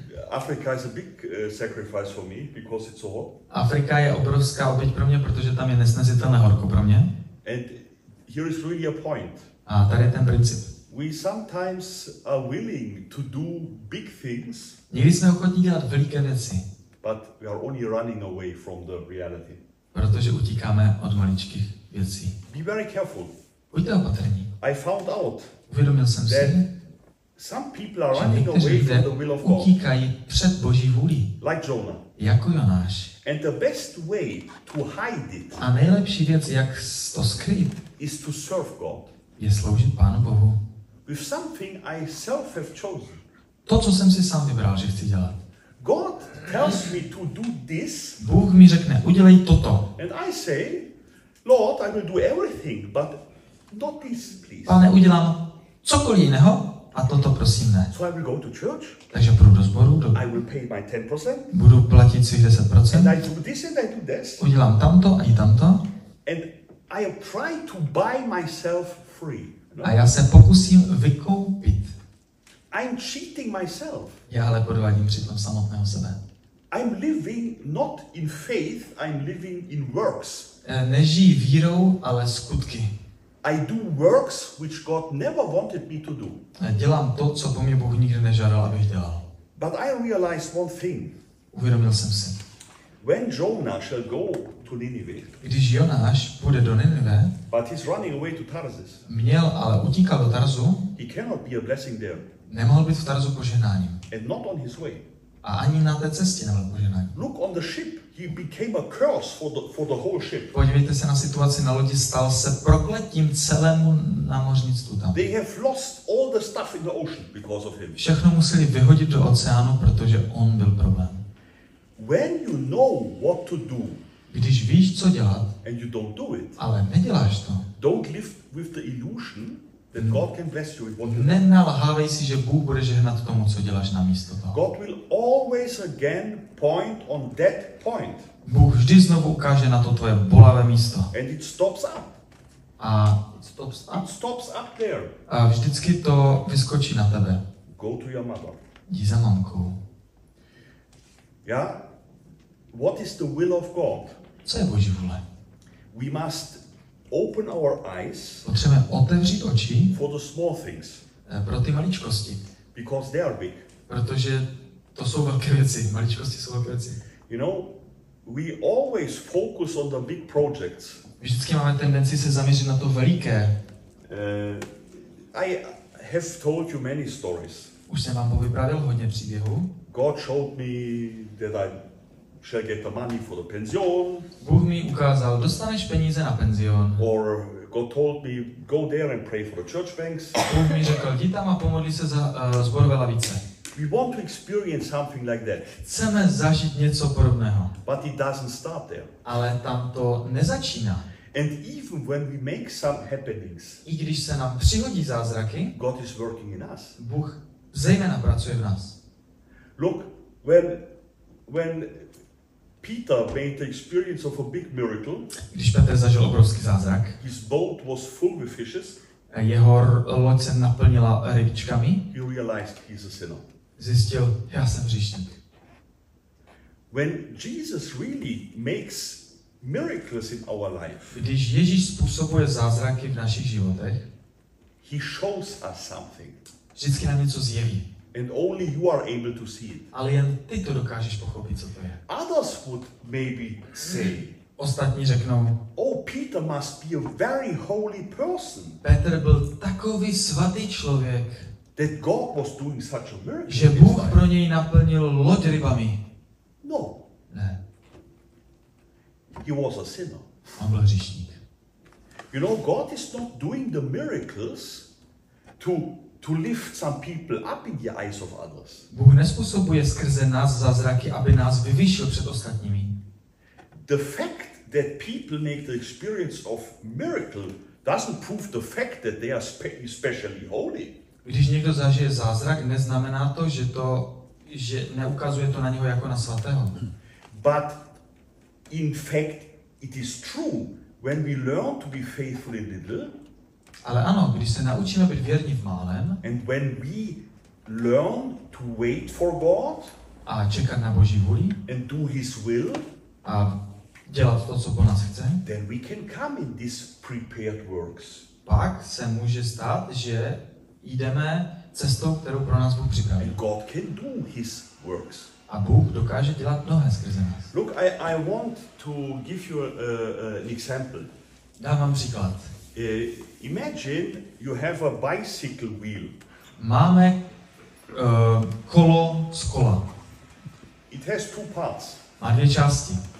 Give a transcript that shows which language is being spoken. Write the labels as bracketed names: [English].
[English] Africa is a big sacrifice for me because it's so hot. [Czech] Afrika je obrovská oběť pro mě, protože tam je nesnesitelné horko pro mě. [English] And here is really a point. [Czech] A tady je ten princip. [English] We sometimes are willing to do big things. [Czech] Někdy jsme ochotní dělat velké věci. [English] But we are only running away from the reality. [Czech] Protože utíkáme od maličkých věcí. [English] Be very careful. [Czech] Buďte opatrní. [English] I found out. [Czech] Uvědomil jsem si. [English] Some people are running away from the will of God. [Czech] Utíkají před Boží vůli. [English] Like Jonah. [Czech] Jako Jonáš. [English] And the best way to hide it. [Czech] A nejlepší věc, jak to skrýt, [English] is to serve God. [Czech] Je sloužit Pánu Bohu. [English] With something I self have chosen. [Czech] To, co jsem si sám vybral, že chci dělat. [English] God tells me to do this. [Czech] Bůh mi řekne, udělej toto. [English] And I say, Lord, I will do everything, but not this, please. [Czech] Pane, udělám cokoliv jiného, a toto prosím ne. [English] So I will go to church. [Czech] Takže půjdu do sboru. Do... [English] I will pay my 10%. [Czech] Budu platit svých 10%. [English] And I do this and I do this. [Czech] Udělám tamto a i tamto. [English] And I try to buy myself free. [Czech] A já se pokusím vykoupit. [English] I'm cheating myself. [Czech] Já ale podvádím přitom samotného sebe. [English] I'm living not in faith, I'm living in works. [Czech] Nežijí vírou, ale skutky. [English] I do works which God never wanted me to do. [Czech] Dělám to, co po mě Bůh nikdy nežádal, abych dělal. [English] But I realized one thing. [Czech] Uvědomil jsem si. [English] When Jonah shall go to Nineveh. [Czech] Když Jonáš půjde do Nineveh. [English] But he's running away to Tarsus. [Czech] Měl, ale utíkal do Tarsu. [English] He cannot be a blessing there. [Czech] Nemohl být v Tarsu požehnáním. [English] And not on his way. [Czech] A ani na té cestě nebyl požehnáním. [English] Look on the ship. He became a curse for the whole ship. [Czech] Podívejte se na situaci na lodi, stal se prokletím celému námořnictvu tam. [English] They have lost all the stuff in the ocean because of him. [Czech] Všechno museli vyhodit do oceánu, protože on byl problém. [English] When you know what to do, [Czech] když víš, co dělat, [English] and you don't do it, [Czech] ale neděláš to. [English] Don't live with the illusion that God can bless you with what you do. [Czech] Nenalhávej si, že Bůh bude žehnat tomu, co děláš namísto toho. [English] God will always again point on that point. [Czech] Bůh vždy znovu ukáže na to tvoje bolavé místo. [English] And it stops up. [Czech] A [English] it stops up there. [Czech] A vždycky to vyskočí na tebe. [English] Go to your mother. [Czech] Jdi za mamkou. [English] Yeah? What is the will of God? [Czech] Co je Boží vůle? [English] We must open our eyes. [Czech] Potřebujeme otevřít oči. [English] For the small things. [Czech] Pro ty maličkosti. [English] Because they are big. [Czech] Protože to jsou velké věci. Maličkosti jsou velké věci. [English] You know, we always focus on the big projects. [Czech] Vždycky máme tendenci se zaměřit na to veliké. [English] I have told you many stories. [Czech] Už jsem vám vyprávěl hodně příběhů. [English] God showed me that I shall get the money for the pension. [Czech] Bůh mi ukázal, dostaneš peníze na penzion. [English] Or God told me, go there and pray for the church banks. [Czech] Bůh mi řekl, jdi tam a pomodli se za zborové lavice. [English] We want to experience something like that. [Czech] Chceme zažít něco podobného. [English] But it doesn't start there. [Czech] Ale tam to nezačíná. [English] And even when we make some happenings, [Czech] i když se nám přihodí zázraky, [English] God is working in us. [Czech] Bůh zejména pracuje v nás. [English] Look, when Peter made the experience of a big miracle, [Czech] když Petr zažil obrovský zázrak, [English] his boat was full with fishes, [Czech] jeho loď se naplnila rybičkami, [English] he realized he's a sinner. [Czech] Zjistil, já jsem hříšník. [English] When Jesus really makes miracles in our life, [Czech] když Ježíš způsobuje zázraky v našich životech, [English] he shows us something. [Czech] Vždycky nám něco zjeví. [English] And only you are able to see it. [Czech] Ale jen ty to dokážeš pochopit, co to je. [English] Others would maybe say, [Czech] ostatní řeknou, [English] oh, Peter must be a very holy person. [Czech] Petr byl takový svatý člověk, [English] that God was doing such a miracle, [Czech] že Bůh pro něj naplnil loď rybami. [English] No. [Czech] Ne. [English] He was a sinner. [Czech] On byl hříšník. [English] You know, God is not doing the miracles to lift some people up in the eyes of others. [Czech] Bůh nespůsobuje skrze nás zázraky, aby nás vyvýšil před ostatními. [English] The fact that people make the experience of miracle doesn't prove the fact that they are especially holy. [Czech] Když někdo zažije zázrak, neznamená to, že neukazuje to na něho jako na svatého. [English] But in fact it is true when we learn to be faithful in little. [Czech] Ale ano, když se naučíme být věrní v málem, [English] and when we learn to wait for God, [Czech] a čekat na Boží vůli, [English] and do his will, [Czech] a dělat to, co po nás chce, [English] then we can come in these prepared works. [Czech] Pak se může stát, že jdeme cestou, kterou pro nás Bůh připravil. [English] And God can do his works. [Czech] A Bůh dokáže dělat mnohé skrze nás. [English] Look, I want to give you an example. [Czech] Dám vám příklad. [English] Imagine you have a bicycle wheel. [Czech] Máme kolo z kola. [English] It has two parts. [Czech] Má dvě části.